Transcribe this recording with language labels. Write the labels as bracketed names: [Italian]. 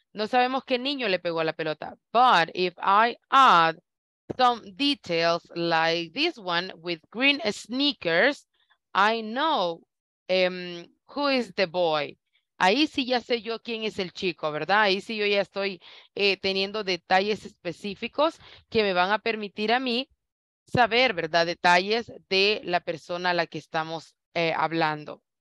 [Spanish] No sabemos qué niño le pegó a la pelota. [English] But if I add some details like this one with green sneakers, I know who is the boy. [Spanish] Ahí sí ya sé yo quién es el chico, ¿verdad? Ahí sí yo ya estoy teniendo detalles específicos que me van a permitir a mí saber, ¿verdad? Detalles de la persona a la que estamos hablando.